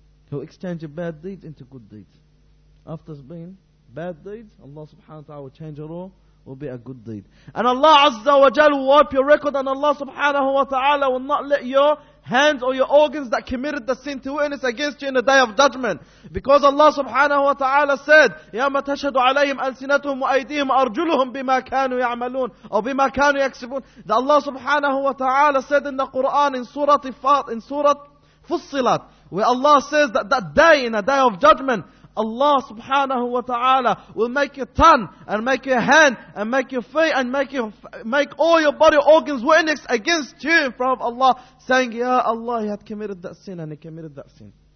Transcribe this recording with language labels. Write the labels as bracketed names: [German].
[English] He'll exchange your bad deeds into good deeds. After being bad deeds, Allah subhanahu wa ta'ala will change it all, will be a good deed. And Allah azza wa jal will wipe your record, and Allah subhanahu wa ta'ala will not let your hands or your organs that committed the sin to witness against you in the day of judgment. Because Allah subhanahu wa ta'ala said, [Arabic] يَوْمَ تَشْهَدُ عَلَيْهِمْ أَلْسِنَتُهُمْ وَأَيْدِيهِمْ أَرْجُلُهُمْ بِمَا كَانُوا يَعْمَلُونَ أو بِمَا كَانُوا يَكْسِبُونَ. [English] That Allah subhanahu wa ta'ala said in the Quran, in Surah Fussilat, where Allah says that day, in a day of judgment, Allah subhanahu wa ta'ala will make your tongue and make your hand and make your feet and make all your body organs witness against you in front of Allah, saying, Ya Allah, He had committed that sin and He committed that sin.